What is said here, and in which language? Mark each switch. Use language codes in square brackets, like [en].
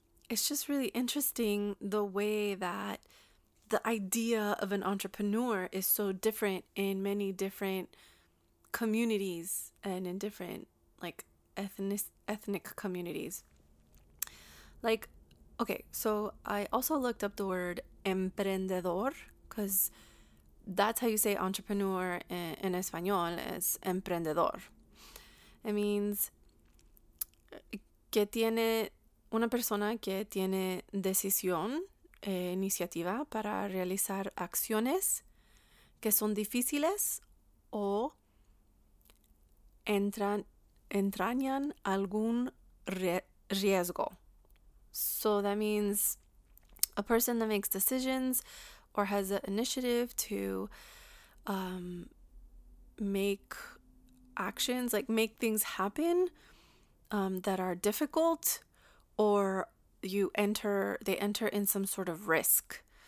[en] It's just really interesting the way that the idea of an entrepreneur is so different in many different communities and in different like ethnic communities. Like, okay, so I also looked up the word emprendedor, because that's how you say entrepreneur in Espanol, is emprendedor. It means [es] que tiene una persona que tiene decisión e iniciativa para realizar acciones que son difíciles o entrañan algún riesgo. [en] So that means a person that makes decisions or has the initiative to make actions, like make things happen that are difficult, or they enter in some sort of risk.